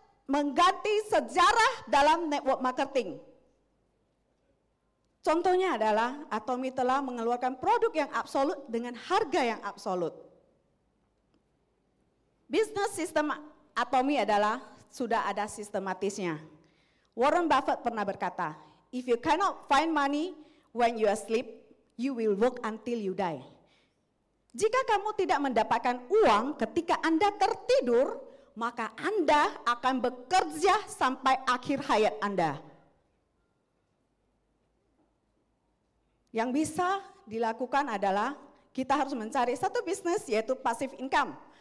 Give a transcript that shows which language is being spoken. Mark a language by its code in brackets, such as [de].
[id] mengganti sejarah dalam network marketing. Contohnya adalah Atomy telah mengeluarkan produk yang absolut dengan harga yang absolut. [en] Business system [id] Atomy adalah sudah ada sistematisnya. [en] Warren Buffett pernah berkata, "If you cannot find money when you sleep, you will work until you die." [id] Jika kamu tidak mendapatkan uang ketika Anda tertidur, maka Anda akan bekerja sampai akhir hayat Anda. Yang bisa dilakukan adalah kita harus mencari satu bisnis yaitu passive income.